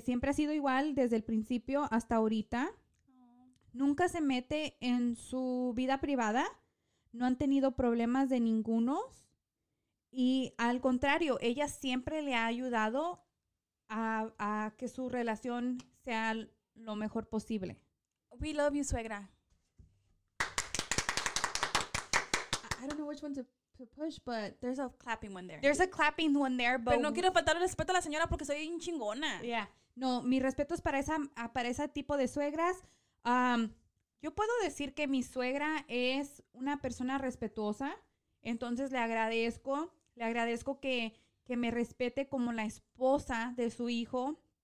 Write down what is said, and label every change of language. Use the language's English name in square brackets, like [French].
[Spanish] Siempre ha sido igual desde el principio hasta ahorita. Nunca se mete en su vida privada. No han tenido problemas de ninguno. Y al contrario, ella siempre le ha ayudado a que su relación sea lo mejor posible. [English] We love you, suegra. I don't know which one to push, but there's a clapping one there. There's a clapping one there, but... [Spanish] Pero no quiero faltar el respeto a la señora porque soy un chingona. [English] Yeah. [Spanish] No, mi respeto es para ese tipo de suegras. Yo puedo decir que mi suegra es una persona respetuosa, entonces le agradezco que me respete como la esposa de su hijo.